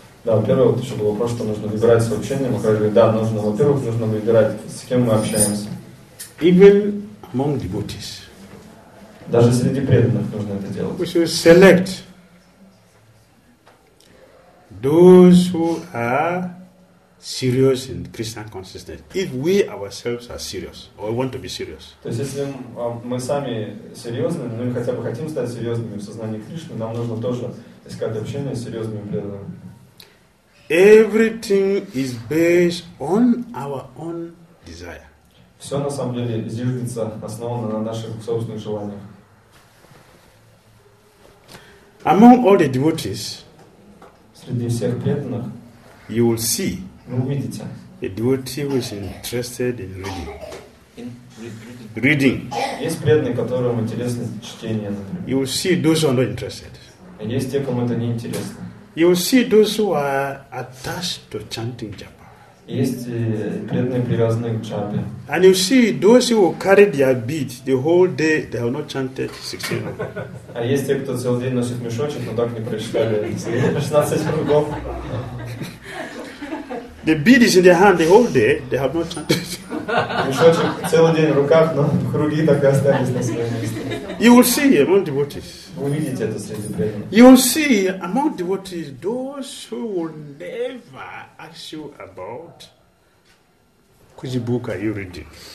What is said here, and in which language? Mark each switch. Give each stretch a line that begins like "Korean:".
Russian: Да, во-первых, вот еще был вопрос, что нужно выбирать с общением. Мы говорили, да, нужно, во-первых, нужно выбирать, с кем мы общаемся.
English: Even among devotees.
Russian: Даже среди преданных нужно это делать.
English: We should select those who are serious in Krishna consciousness. If we ourselves are serious, or we want to be serious.
Russian: То есть, если мы сами серьезны, ну и хотя бы хотим стать серьезными в сознании Кришны, нам нужно тоже искать общение с серьезными преданными.
English: Everything is based on our own desire.
Russian: Все на самом деле зиждется, основано на наших собственных желаниях.
English: Among all the devotees,
Russian: среди всех преданных,
English: you will see,
Russian: вы увидите,
English: a devotee who is interested in reading.
Russian: Есть преданные, которым интересно чтение, например.
English: You will see those who are not interested.
Russian: Есть те, кому это не интересно.
English: You will see those who are attached to chanting japa.
Russian: Есть преданные, привязанные к джапе.
English: And you see those who carry their bead the whole day, they have not chanted 16 rounds.
Russian: А есть те, кто целый день носит мешочек, но так не прочитали 16 кругов.
English: The bead is in their hand the whole day, they have not chanted.
Russian: Мешочек целый день в руках, но круги так и остались на своем месте.
English: You will see among devotees.
Russian: Вы увидите это среди преданных.
English: You will see among devotees those who will never ask you about which book are you reading?